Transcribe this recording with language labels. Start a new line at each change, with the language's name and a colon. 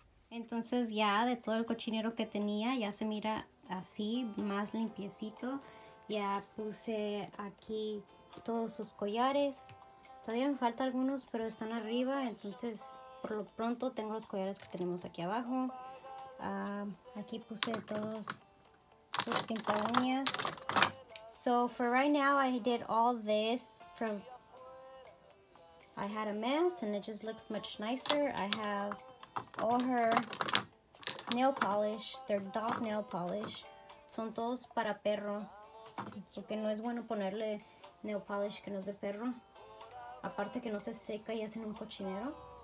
Spanish: Entonces ya de todo el cochinero que tenía, ya se mira así, más limpiecito. Ya puse aquí todos sus collares. Todavía me faltan algunos, pero están arriba. Entonces por lo pronto tengo los collares que tenemos aquí abajo. Aquí puse todos sus pintadoñas.
English: So for right now, I did all this from, I had a mess and it just looks much nicer. I have all her nail polish, their dog nail polish.
Spanish: Son todos para perro, porque no es bueno ponerle
English: nail polish
Spanish: que no es de perro. Aparte que no se seca y hacen un cochinero.